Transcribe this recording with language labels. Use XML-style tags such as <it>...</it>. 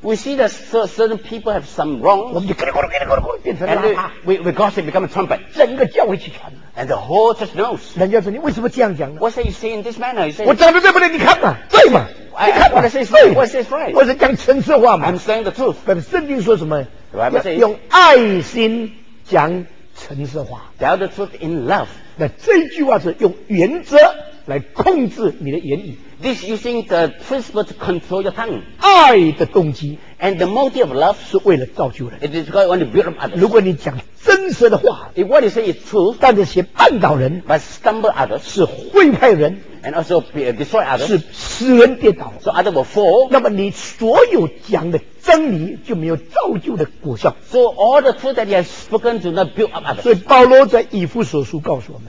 <en>We see that certain people have some wrong</en> <zh>我们就咕噜咕噜咕噜咕噜咕噜变成喇叭</zh> <en>We gossip become a trumpet</en> <zh>整个教会去传</zh> <en>And the whole church knows</en> <zh>人家说你为什么这样讲呢</zh> <en>What are you saying in this manner? You say,</en> <zh>我讲得对不对你看嘛对嘛你看</zh> <en>what I say is right. What I say is right.</en> <zh>我是讲诚实话嘛。</zh> <en>I'm saying the truth.</en> <zh>但是圣经说什么？</zh> <en>The Bible says,</en> <zh>用爱心讲诚实话。</zh> <en>Tell the truth in love.</en> <zh>那这句话是用原则来控制你的言语。</zh> <en>This using the principle to control your tongue.</en> <zh>爱的动机</zh> <en>and the motive of love</en> <zh>是为了造就人。</zh> <en>It is because you want to build up others.</en> <zh>如果你讲真实的话</zh> <en>，if what you say is truth，</en> <zh>但这些绊倒人</zh> <en>，but stumble others，</en> <zh>是会害人。</zh> <en>And also destroy others.</en> <zh>是使人跌倒</zh> <en>So others will fall.</en> <zh>那么你所有讲的真理就没有造就的果效。</zh> <en>So all the truth that he has spoken do not build up others.</en> <zh>所以保罗在以弗所书告诉我们，</zh>